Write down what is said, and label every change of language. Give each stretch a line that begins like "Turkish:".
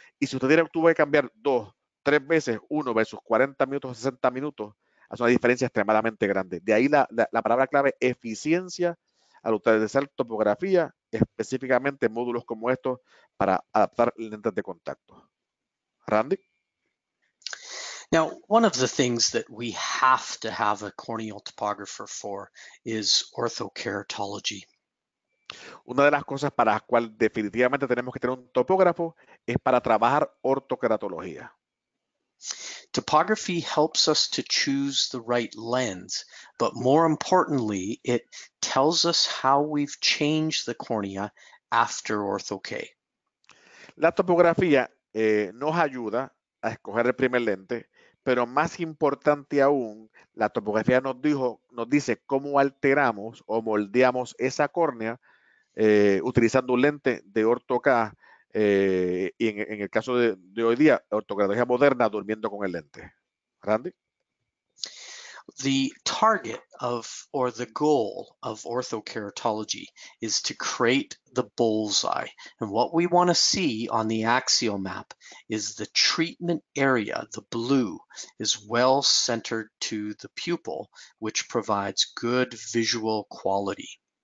Spanish: Y si usted tuvo que cambiar 2, 3 veces, 1 versus 40 minutos, 60 minutos, hace una diferencia extremadamente grande. De ahí la palabra clave, eficiencia, al utilizar topografía, específicamente módulos como estos para adaptar lentes de contacto. Randy.
English: Now, one of the things that we have to have a corneal topographer for is orthokeratology.
Spanish: Una de las cosas para las cuales definitivamente tenemos que tener un topógrafo es para trabajar ortokeratología.
English: Topography helps us to choose the right lens, but more importantly, it tells us how we've changed the cornea after orthoke.
Spanish: La topografía nos ayuda a escoger el primer lente. Pero más importante aún, la topografía nos dice cómo alteramos o moldeamos esa córnea utilizando un lente de orto-K y en el caso de hoy día, ortocratología moderna durmiendo con el lente. Randy.
English: The target of or the goal of orthokeratology is to create the bullseye. And what we want to see on the axial map is the treatment area, the blue, is well centered to the pupil, which provides good visual quality.